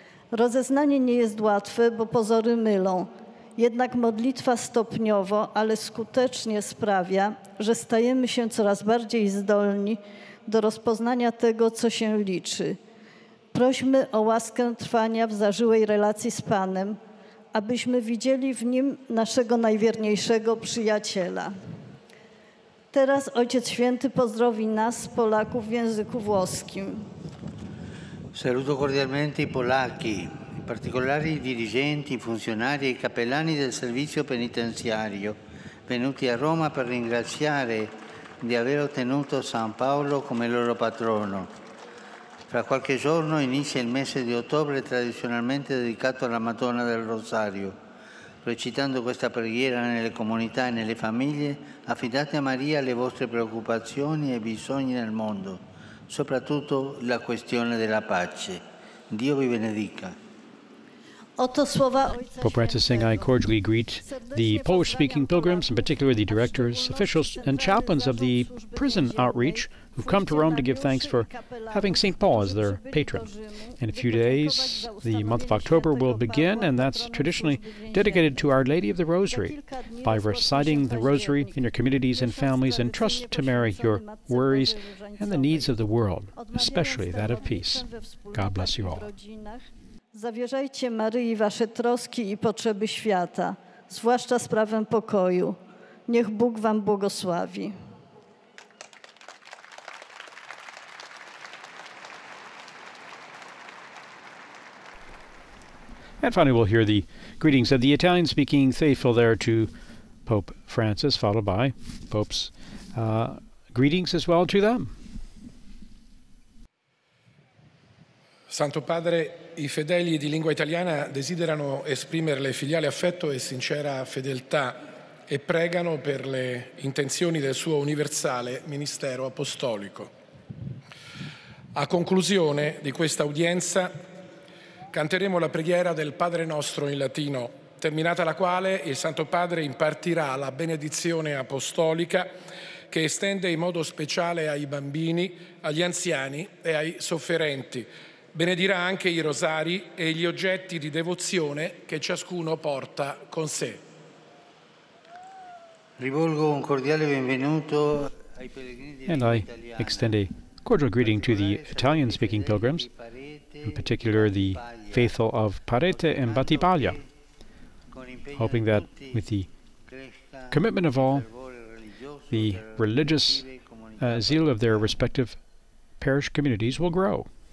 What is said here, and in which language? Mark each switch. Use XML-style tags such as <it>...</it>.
<pl>Rozeznanie nie jest łatwe, bo pozory mylą. Jednak modlitwa stopniowo, ale skutecznie sprawia, że stajemy się coraz bardziej zdolni do rozpoznania tego, co się liczy. Prośmy o łaskę trwania w zażyłej relacji z Panem, abyśmy widzieli w Nim naszego najwierniejszego przyjaciela. Teraz Ojciec Święty pozdrowi nas, Polaków, w języku włoskim.</pl> <it>Saluto cordialmente i Polacchi, in particolare i dirigenti, i funzionari e i capellani del servizio penitenziario venuti a Roma per ringraziare di aver ottenuto San Paolo come loro patrono. Fra qualche giorno inizia il mese di ottobre tradizionalmente dedicato alla Madonna del Rosario. Recitando questa preghiera nelle comunità e nelle famiglie, affidate a Maria le vostre preoccupazioni e bisogni nel mondo, soprattutto la questione della pace. Dio vi benedica.</it> <en>Pope Francis saying, I cordially greet the Polish-speaking pilgrims, in particular the directors, officials, and chaplains of the prison outreach who've come to Rome to give thanks for having St. Paul as their patron. In a few days, the month of October will begin, and that's traditionally dedicated to Our Lady of the Rosary. By reciting the Rosary in your communities and families, entrust to Mary your worries and the needs of the world, especially that of peace. God bless you all.</en> <pl>Zawierzajcie Maryi wasze troski i potrzeby świata, zwłaszcza sprawę pokoju. Niech Bóg wam błogosławi.</pl> <en>And finally we'll hear the greetings of the Italian-speaking faithful there to Pope Francis, followed by Pope's greetings as well to them.</en> <it>Santo Padre, i fedeli di lingua italiana desiderano esprimerle filiale affetto e sincera fedeltà e pregano per le intenzioni del suo universale ministero apostolico. A conclusione di questa udienza canteremo la preghiera del Padre Nostro in latino, terminata la quale il Santo Padre impartirà la benedizione apostolica che estende in modo speciale ai bambini, agli anziani e ai sofferenti. Benedirà anche i rosari e gli oggetti di devozione che ciascuno porta con sé. Rivolgo un cordiale benvenuto ai pellegrini italiani.</it> <en>And I extend a cordial greeting to the Italian-speaking pilgrims, in particular the faithful of Parete and Battipaglia, hoping that with the commitment of all, the religious zeal of their respective parish communities will grow.</en>